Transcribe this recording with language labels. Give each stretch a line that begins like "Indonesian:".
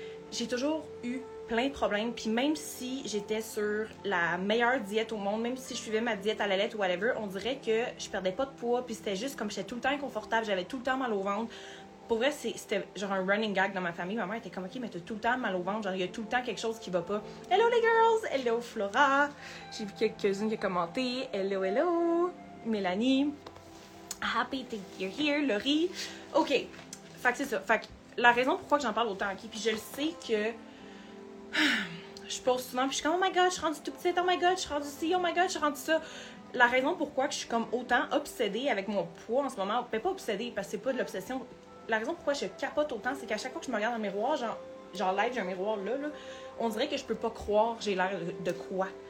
French: J'ai toujours eu plein de problèmes. Puis même si j'étais sur la meilleure diète au monde, même si je suivais ma diète à la lettre,
English: whatever,
French: on dirait que je perdais pas de poids. Puis c'était juste comme j'étais tout le temps inconfortable, j'avais tout le temps mal au ventre. Pour vrai, c'était genre un running gag dans ma famille. Ma mère était comme, ok, mais t'as tout le temps mal au ventre. Genre, il y a tout le temps quelque chose qui va pas.
English: Hello
French: les girls! Hello Flora! J'ai vu quelques-unes qui ont commenté.
English: Hello, hello! Mélanie! Happy that you're here, Laurie!
French: Ok, fait que c'est ça. Fait que la raison pourquoi j'en parle autant, ok? Puis je le sais que je pose souvent, puis je suis comme,
English: oh my god,
French: je suis rendue tout petite, oh my god, je suis rendue ci, oh my god, je suis rendue ça. La raison pourquoi je suis comme autant obsédée avec mon poids en ce moment, mais pas obsédée parce que c'est pas de l'obsession. La raison pourquoi je capote autant, c'est qu'à chaque fois que je me regarde dans le miroir, genre live, j'ai un miroir là, on dirait que je peux pas croire j'ai l'air de quoi.